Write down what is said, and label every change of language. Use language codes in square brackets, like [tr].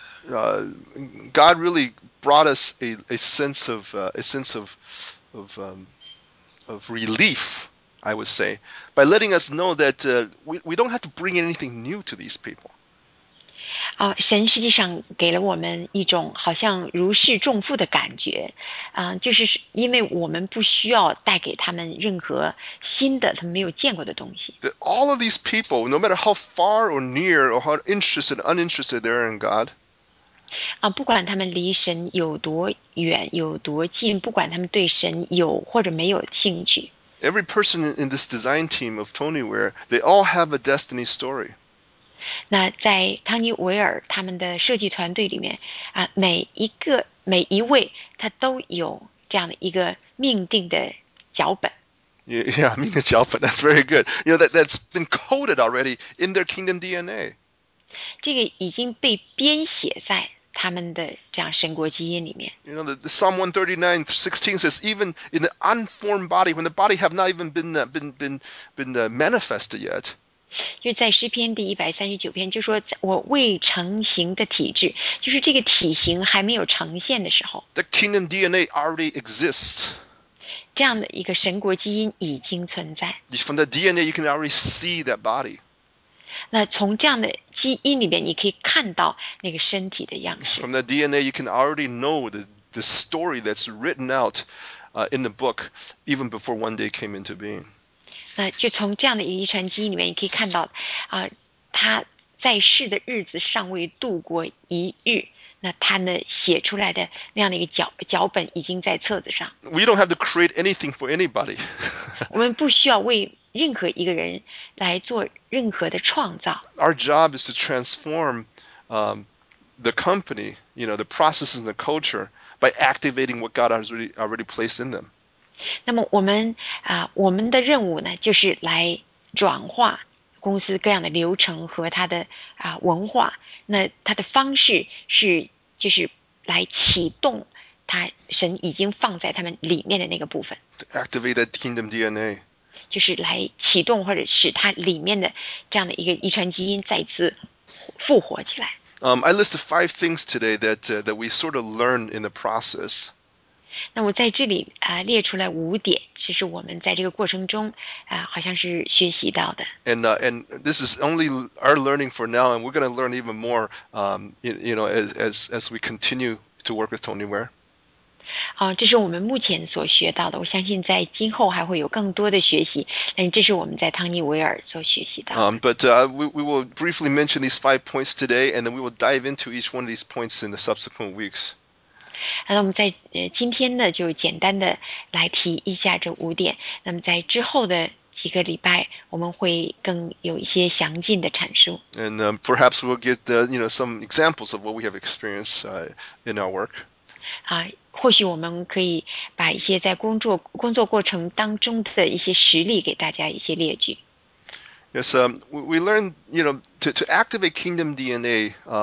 [en] God really brought us a sense of relief, I would say, by letting us know that we don't have to bring anything new to these people. [zh] 神实际上给了我们一种好像如释重负的感觉，就是因为我们不需要带给他们任何新的他们没有见过的东西。 [en] That all of these people, no matter how far or near or how interested or uninterested they are in God, [zh] 不管他们离神有多远有多近，不管他们对神有或者没有兴趣。 [en] Every person in this design team of Tonyware, they all have a destiny story. [zh] 那在汤尼维尔他们的设计团队里面，每一位他都有这样的一个命定的脚本。 [en] Yeah, [zh] 命定脚本, [en] that's very good. You know, that's been coded already in their kingdom DNA. [zh] 这个已经被编写在他们的这样神国基因里面。 [en] You know, the Psalm 139:16 says, even in the unformed body, when the body have not even been manifested yet. [zh] 就在诗篇第139篇，就说我未成形的体质，就是这个体型还没有呈现的时候。 [en] The kingdom DNA already exists. [zh] 这样的一个神国基因已经存在。 [en] From the DNA, you can already see that body. [zh] 那从这样的基因里面，你可以看到那个身体的样式。 [en] From the DNA, you can already know the story that's written out, in the book, even before one day came into being. [zh] 那就从这样的一个遗传基因里面，你可以看到，他在世的日子尚未度过一日，那他呢写出来的那样的一个脚本已经在册子上。 [en] We don't have to create anything for anybody. [zh] 我们不需要为任何一个人来做任何的创造。 [en] Our job is to transform, the company, you know, the processes and the culture by activating what God has already placed in them. [zh] 那么我们的任务呢，就是来转化公司各样的流程和它的文化。那它的方式是就是来启动它神已经放在他们里面的那个部分。 [en] To activate that kingdom DNA. [zh] 就是来启动或者使它里面的这样的一个遗传基因再次复活起来。 [en] I listed five things today that that we sort of learn in the process. [zh] 那我在这里列出来五点，这是我们在这个过程中好像是学习到的。 [en] And this is only our learning for now, and we're going to learn even more, you know, as we continue to work with Tony Ware. [zh] 这是我们目前所学到的。我相信在今后还会有更多的学习。嗯，这是我们在汤尼维尔所学习到的。 [en] But we will briefly mention these five points today, and then we will dive into each one of these points in the subsequent weeks. [zh] 那我们在今天呢，就简单的来提一下这五点。那么在之后的几个礼拜，我们会更有一些详尽的阐述。 [en] And perhaps we'll get you know some examples of what we have experienced in our work. [zh] 或许我们可以把一些在工作过程当中的一些实例给大家一些列举。 [en] Yes, we learned you know to activate Kingdom DNA.